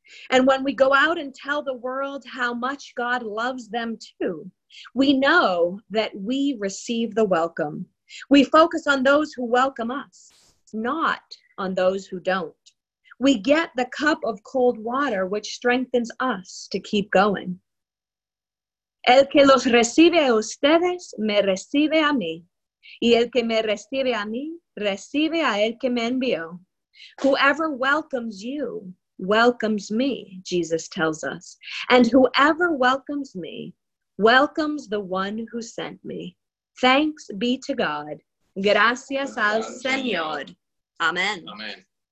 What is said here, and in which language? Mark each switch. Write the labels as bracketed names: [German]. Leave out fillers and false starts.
[English] And when we go out and tell the world how much God loves them too, we know that we receive the welcome. We focus on those who welcome us, not on those who don't. We get the cup of cold water, which strengthens us to keep going. [Spanish] El que los recibe a ustedes, me recibe a mí. Y el que me recibe a mí, recibe a el que me envió. [English] Whoever welcomes you welcomes me, Jesus tells us. And whoever welcomes me welcomes the one who sent me. Thanks be to God. [Spanish] Gracias al Señor. [English] Amen. Amen.